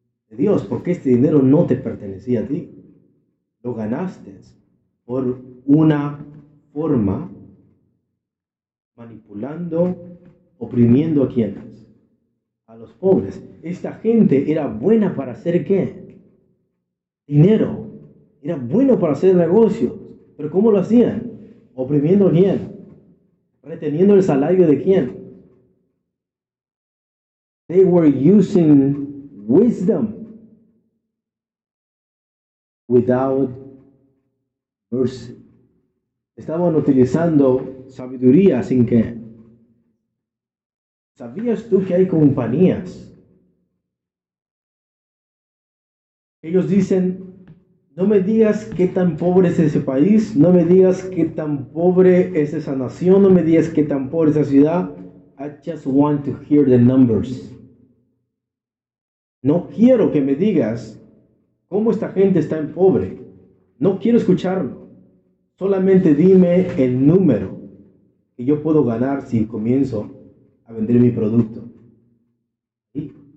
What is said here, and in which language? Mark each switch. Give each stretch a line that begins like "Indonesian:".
Spanish: De Dios, porque este dinero no te pertenecía a ti. Lo ganaste por una forma manipulando, oprimiendo a quiénes? A los pobres. Esta gente era buena para hacer ¿qué? Dinero. Era bueno para hacer negocios. ¿Pero cómo lo hacían? ¿Oprimiendo a quién? ¿Reteniendo el salario de quién?
English: They were using wisdom without mercy.
Spanish: Estaban utilizando sabiduría sin qué. ¿Sabías tú que hay compañías? Ellos dicen, no me digas qué tan pobre es ese país, no me digas qué tan pobre es esa nación, no me digas qué tan pobre es esa ciudad.
English: I just want to hear the numbers.
Spanish: No quiero que me digas cómo esta gente está en pobre. No quiero escucharlo. Solamente dime el número que yo puedo ganar si comienzo a vender mi producto. ¿Sí?